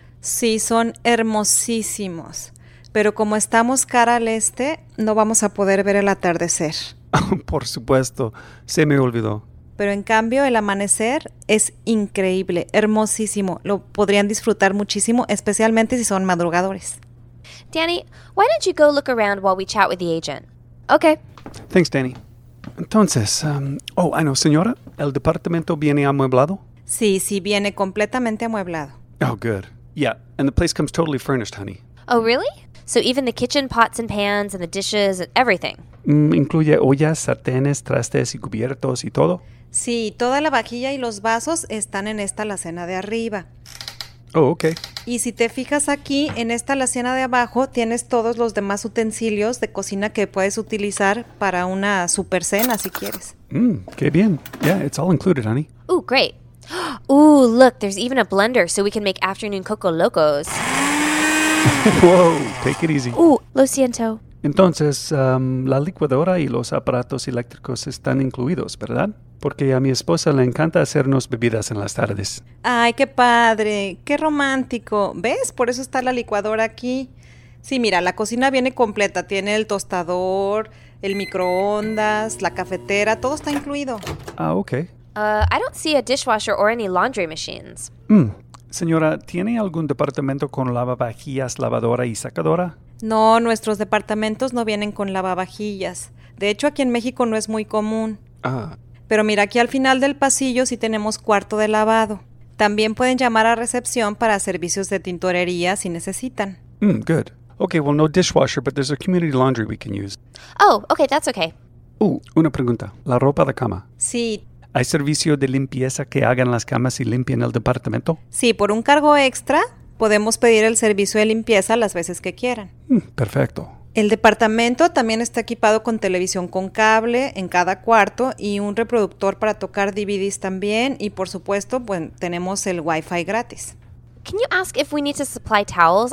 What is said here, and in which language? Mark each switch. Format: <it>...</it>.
<es>Sí, son hermosísimos. Pero como estamos cara al este, no vamos a poder ver el atardecer. Por supuesto, se me olvidó. Pero en cambio, el amanecer es increíble, hermosísimo. Lo podrían disfrutar muchísimo, especialmente si son madrugadores.</es> <en>Danny, why don't you go look around while we chat with the agent? Okay.</en> <es>Thanks, Danny. Entonces,</es> <en>I know,</en> <es>señora, ¿el departamento viene amueblado? Sí, sí, viene completamente amueblado.</es> <en>Oh, good. Yeah, and the place comes totally furnished, honey. Oh, really? So even the kitchen pots and pans and the dishes and everything?</en> <es>Incluye ollas, sartenes, trastes y cubiertos y todo. Sí, toda la vajilla y los vasos están en esta alacena de arriba.</es> <en>Oh, okay.</en> <es>Y si te fijas aquí, en esta alacena de abajo, tienes todos los demás utensilios de cocina que puedes utilizar para una super cena, si quieres. Qué bien.</es> <en>Yeah, it's all included, honey. Oh, great. Ooh, look, there's even a blender so we can make afternoon coco locos. Whoa, take it easy.</en> <es>Ooh, lo siento. Entonces, la licuadora y los aparatos eléctricos están incluidos, ¿verdad? Porque a mi esposa le encanta hacernos bebidas en las tardes. Ay, qué padre, qué romántico. ¿Ves? Por eso está la licuadora aquí. Sí, mira, la cocina viene completa. Tiene el tostador, el microondas, la cafetera, todo está incluido. Ah, ok.</es> <en>I don't see a dishwasher or any laundry machines.</en> <es>Señora, ¿tiene algún departamento con lavavajillas, lavadora y secadora? No, nuestros departamentos no vienen con lavavajillas. De hecho, aquí en México no es muy común. Pero mira, aquí al final del pasillo sí tenemos cuarto de lavado. También pueden llamar a recepción para servicios de tintorería si necesitan.</es> <en>Good. Okay, well, no dishwasher, but there's a community laundry we can use. Oh, okay, that's okay.</en> <es>Una pregunta. ¿La ropa de cama? Sí. ¿Hay servicio de limpieza que hagan las camas y limpien el departamento? Sí, por un cargo extra, podemos pedir el servicio de limpieza las veces que quieran. Perfecto. El departamento también está equipado con televisión con cable en cada cuarto y un reproductor para tocar DVDs también. Y por supuesto, bueno, tenemos el Wi-Fi gratis.</es> <en>Can you ask if we need to supply towels?</en>